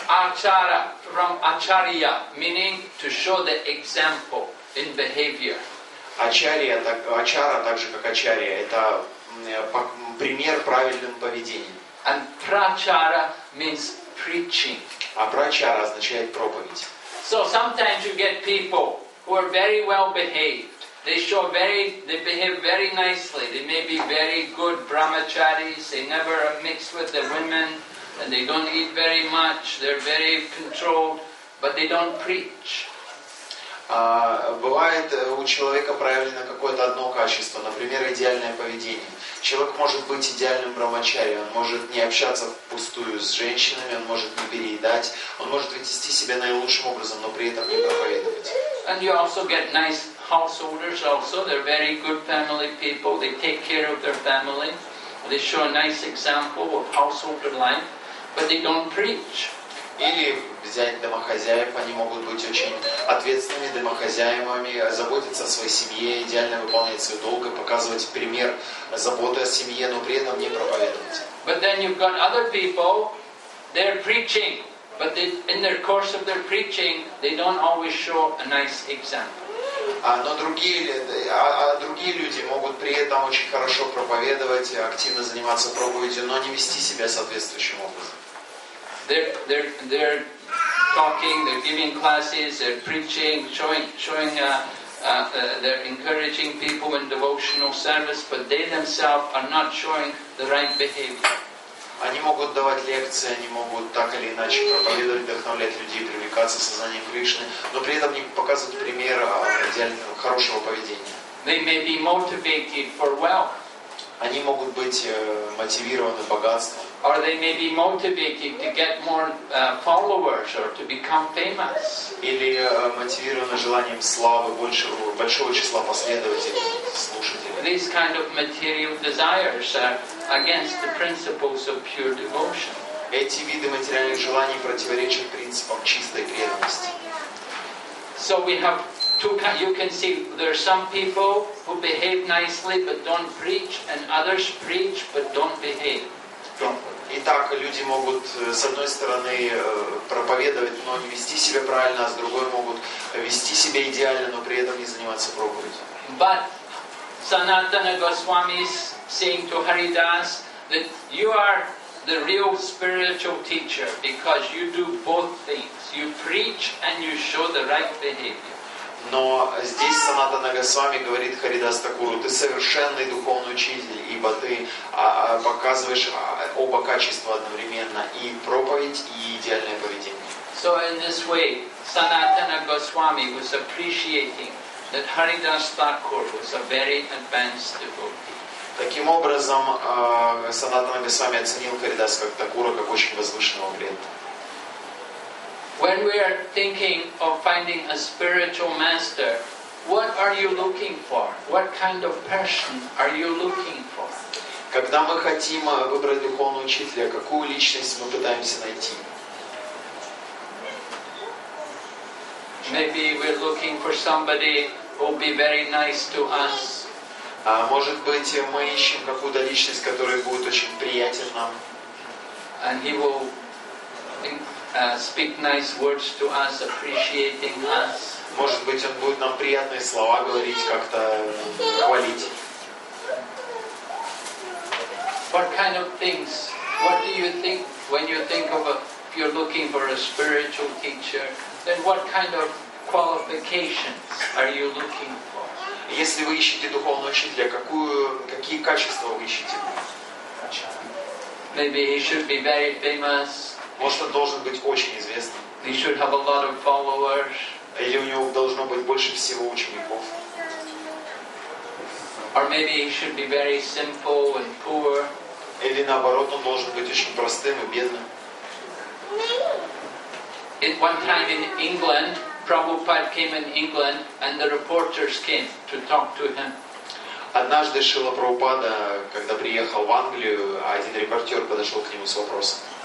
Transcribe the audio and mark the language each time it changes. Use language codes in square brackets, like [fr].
[en] Ачара from acharya, meaning to show the example in behavior. [ru] Ачария, так, ачара, так же как ачария, это пример правильным поведением. [en] And prachara means preaching. [ru] А прачара означает проповедь. [en] So sometimes you get people who are very well behaved. They show very, they behave very nicely. They may be very good brahmacharis. They never mix with the women, and they don't eat very much. They're very controlled, but they don't preach. [ru] Бывает у человека проявлено какое-то одно качество, например, идеальное поведение. Человек может быть идеальным брамачари, он может не общаться впустую с женщинами, он может не переедать, он может вести себя наилучшим образом, но при этом не проповедовать. [en] And you also get nice householders also, they're very good family people, they take care of their family, they show a nice example of householder life, but they don't preach. [ru] Или взять домохозяев, они могут быть очень ответственными домохозяевами, заботиться о своей семье, идеально выполнять свой долг, показывать пример заботы о семье, но при этом не проповедовать. [en] But then you've got other people, they're preaching, but they, in their course of their preaching, they don't always show a nice example. [ru] Но другие люди могут при этом очень хорошо проповедовать, активно заниматься проповедью, но не вести себя соответствующим образом. [en] They're talking, they're giving classes, they're preaching, they're encouraging people in devotional service, but they themselves are not showing the right behavior. [ru] Они могут давать лекции, они могут так или иначе проповедовать, вдохновлять людей, привлекаться в сознание Кришны, но при этом не показывать пример идеального, хорошего поведения. [en] They may be motivated for wealth. [ru] Они могут быть мотивированы богатством. [en] Or they may be motivated to get more followers or to become famous. [ru] Или мотивированы желанием славы, большого числа последователей, слушателей. [en] These kind of material desires are against the principles of pure devotion. [ru] Эти виды материальных желаний противоречат принципам чистой преданности. [en] So we have you can see there are some people who behave nicely but don't preach, and others preach but don't behave. [ru] Итак, люди могут с одной стороны проповедовать, но не вести себя правильно, а с другой могут вести себя идеально, но при этом не заниматься проповедью. [en] But Sanatana Goswami is saying to Haridas that you are the real spiritual teacher because you do both things. You preach and you show the right behavior. [ru] Но здесь Санатана Госвами говорит Харидас Такуру, ты совершенный духовный учитель, ибо ты показываешь оба качества одновременно, и проповедь, и идеальное поведение. [en] So in this way, Sanatana Goswami was appreciating that Haridas Thakur was a very advanced devotee. [ru] Таким образом, Санатана Госвами оценил Харидас как Такура, как очень возвышенного преданного. [en] When we are thinking of finding a spiritual master, what are you looking for? What kind of person are you looking for? [ru] Когда мы хотим выбрать духовного учителя, какую личность мы пытаемся найти? [en] Maybe we're looking for somebody who'll be very nice to us. [ru] Может быть, мы ищем какую-то личность, которая будет очень приятен нам. [en] And he will speak nice words to us, appreciating us. [ru] Может быть, он будет нам приятные слова говорить, как-то хвалить. [en] What kind of things? What do you think when you think of if you're looking for a spiritual teacher? Then what kind of qualifications are you looking for? [ru] Если вы ищете духовного учителя, какие качества вы ищете? [en] Maybe he should be very famous. [ru] Может, он должен быть очень известным. [en] He should have a lot of followers. [ru] Или у него должно быть больше всего учеников. [en] Or maybe he should be very simple and poor. [ru] Или наоборот, он должен быть очень простым и бедным. [en] At one time in England, Prabhupada came in England and the reporters came to talk to him. [ru] Однажды Шрила Прабхупада, когда приехал в Англию, один репортер подошел к нему с вопросом.